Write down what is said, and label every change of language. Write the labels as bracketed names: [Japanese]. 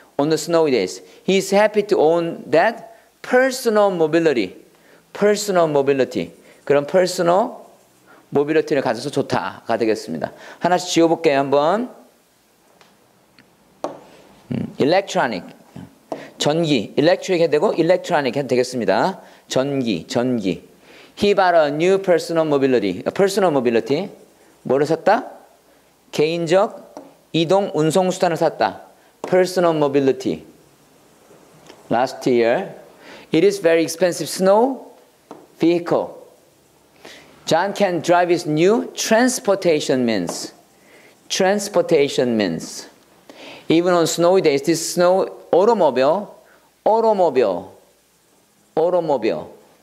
[English] On the snowy days, he is happy to own that personal mobility. Personal mobility. 그럼 personal [Korean] 모빌리티를 가져서 좋다가 되겠습니다. 하나씩 지워볼게요. 한번 electronic 전기 electric 해도 되고 electronic 해도 되겠습니다. [English] 전기 전기 He bought a new personal mobility. Personal mobility. 뭐를 샀다? [Korean] 개인적 이동 운송수단을 샀다. [English] Personal mobility. Last year. It is very expensive snow vehicle. John can drive his new transportation means. Transportation means. Even on snowy days, this snow automobile. Automobile. Automobile.